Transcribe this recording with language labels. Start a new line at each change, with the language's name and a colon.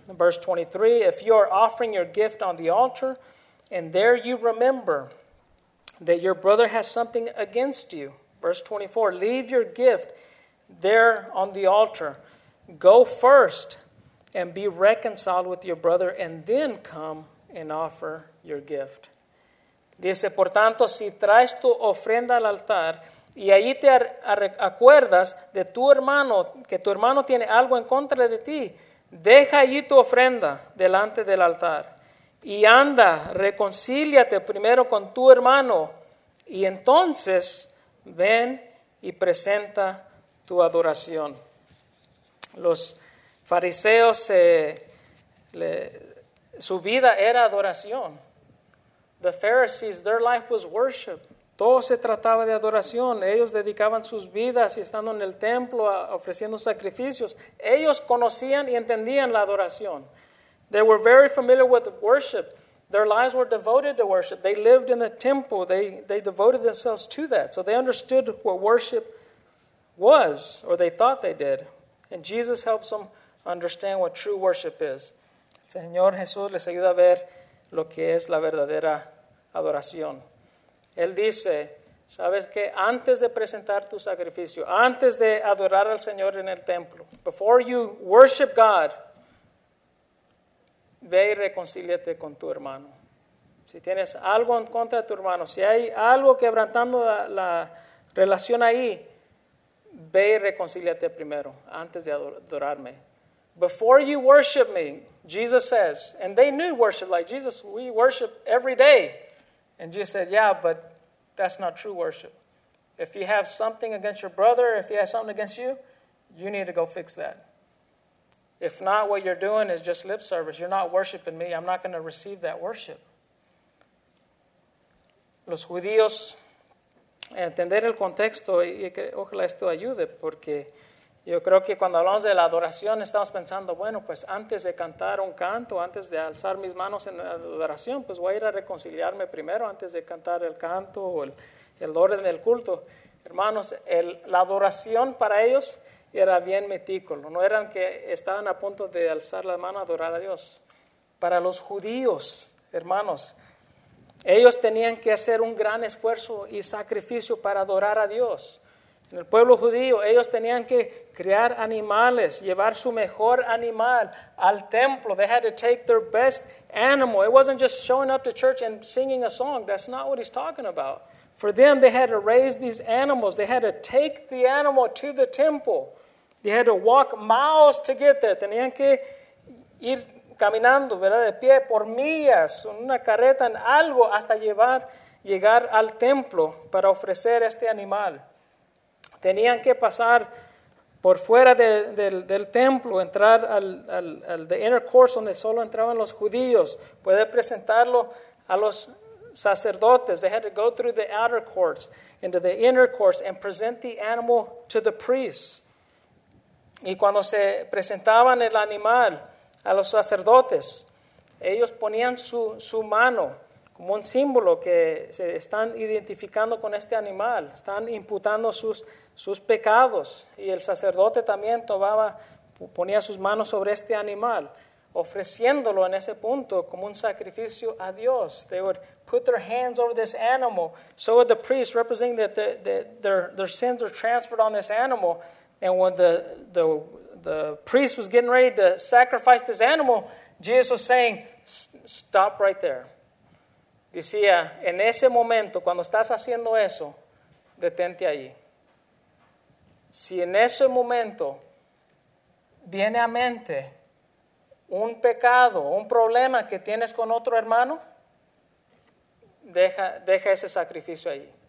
English: Verse 23, if you are offering your gift on the altar, and there you remember that your brother has something against you. Verse 24, leave your gift there on the altar. Go first and be reconciled with your brother, and then come and offer your gift.
Spanish: Dice, por tanto, si traes tu ofrenda al altar, y ahí te acuerdas de tu hermano, que tu hermano tiene algo en contra de ti, deja allí tu ofrenda delante del altar y anda, reconcíliate primero con tu hermano y entonces ven y presenta tu adoración. Los fariseos, su vida era adoración.
English: The Pharisees, their life was worship.
Spanish: Todo se trataba de adoración. Ellos dedicaban sus vidas y estando en el templo ofreciendo sacrificios. Ellos conocían y entendían la adoración.
English: They were very familiar with worship. Their lives were devoted to worship. They lived in the temple. They devoted themselves to that. So they understood what worship was, or they thought they did. And Jesus helps them understand what true worship is.
Spanish: Señor Jesús les ayuda a ver lo que es la verdadera adoración. Él dice, ¿sabes qué? Antes de presentar tu sacrificio, antes de adorar al Señor en el templo,
English: before you worship God,
Spanish: ve y reconcíliate con tu hermano. Si tienes algo en contra de tu hermano, si hay algo quebrantando la relación ahí, ve y reconcíliate primero, antes de adorarme.
English: Before you worship me, Jesus says, and they knew worship like Jesus, we worship every day. And Jesus said, yeah, but that's not true worship. If you have something against your brother, if he has something against you, you need to go fix that. If not, what you're doing is just lip service. You're not worshiping me. I'm not going to receive that worship.
Spanish: Los judíos, entender el contexto, y ojalá esto ayude, porque yo creo que cuando hablamos de la adoración, estamos pensando, bueno, pues antes de cantar un canto, antes de alzar mis manos en la adoración, pues voy a ir a reconciliarme primero antes de cantar el canto o el orden del culto. Hermanos, la adoración para ellos era bien metícola. No eran que estaban a punto de alzar la mano a adorar a Dios. Para los judíos, hermanos, ellos tenían que hacer un gran esfuerzo y sacrificio para adorar a Dios. En el pueblo judío, ellos tenían que criar animales, llevar su mejor animal al templo.
English: They had to take their best animal. It wasn't just showing up to church and singing a song. That's not what he's talking about. For them, they had to raise these animals. They had to take the animal to the temple. They had to walk miles to get there.
Spanish: Tenían que ir caminando, ¿verdad? De pie por millas, en una carreta, en algo, hasta llegar al templo para ofrecer este animal. Tenían que pasar por fuera del templo, entrar al
English: the inner courts
Spanish: donde solo entraban los judíos. Puede presentarlo a los sacerdotes.
English: They had to go through the outer courts into the inner courts and present the animal to the priests.
Spanish: Y cuando se presentaban el animal a los sacerdotes, ellos ponían su mano como un símbolo que se están identificando con este animal. Están imputando sus pecados, y el sacerdote también ponía sus manos sobre este animal, ofreciéndolo en ese punto como un sacrificio a Dios.
English: They would put their hands over this animal, so would the priest, representing that their sins are transferred on this animal, and when the priest was getting ready to sacrifice this animal, Jesus was saying, stop right there.
Spanish: Decía, en ese momento, cuando estás haciendo eso, detente ahí. Si en ese momento viene a mente un pecado, un problema que tienes con otro hermano, deja ese sacrificio ahí.